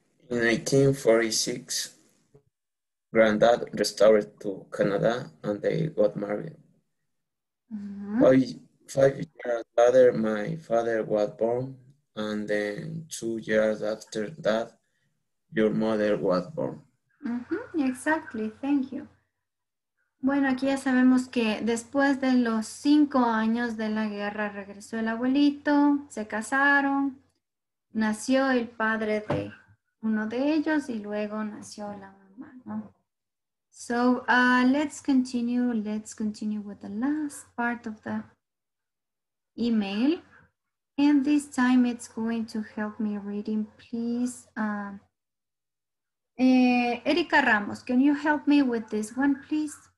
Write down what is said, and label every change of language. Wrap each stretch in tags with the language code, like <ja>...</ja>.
<en>In 1946, Granddad restored to Canada and they got married. Mm-hmm. Five years later, my father was born, and then 2 years after that, your mother was born. Mm-hmm. Exactly, thank you.</en> <es>Bueno, aquí ya sabemos que después de los 5 años de la guerra regresó el abuelito, se casaron, nació el padre de uno de ellos y luego nació la mamá, ¿no?</es> <en>So, let's continue with the last part of the email. And this time it's going to help me reading, please. Erika Ramos, can you help me with this one, please?</en>